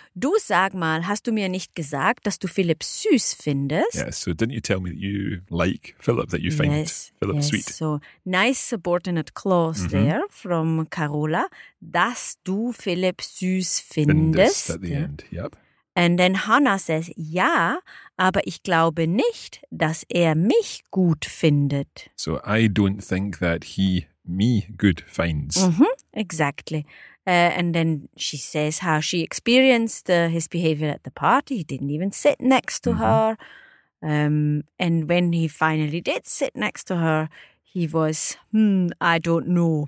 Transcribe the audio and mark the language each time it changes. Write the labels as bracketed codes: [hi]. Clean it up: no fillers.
[de] Du sag mal, hast du mir nicht gesagt, dass du Philip süß findest? [en] Yeah, so didn't you tell me that you like Philip, that you find Philip sweet? So nice subordinate clause mm-hmm. there from Carola, [de] dass du Philip süß findest. [en] At the end, yep. And then Hannah says, [de] ja, aber ich glaube nicht, dass mich gut findet. [en] So I don't think that he me good finds. Mm-hmm, exactly. And then she says how she experienced his behavior at the party. He didn't even sit next to mm-hmm. her. And when he finally did sit next to her, he was, I don't know.